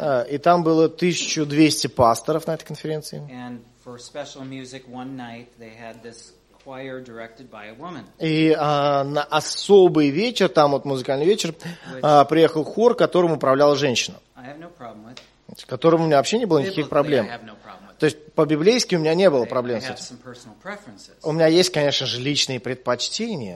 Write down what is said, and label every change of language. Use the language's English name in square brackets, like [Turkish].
[Russian] И там было 1200 пасторов на этой конференции. [English] And for special music one night they had this choir directed by a woman. [Russian] И на особый вечер, там вот музыкальный вечер, приехал хор, которым управляла женщина. [English] I have no problem with. [Russian] С которым у меня вообще не было никаких проблем. [English] I have no problem with. [Russian] То есть по-библейски у меня не было проблем с этим. [English] I have some personal preferences. [Russian] У меня есть, конечно же, личные предпочтения.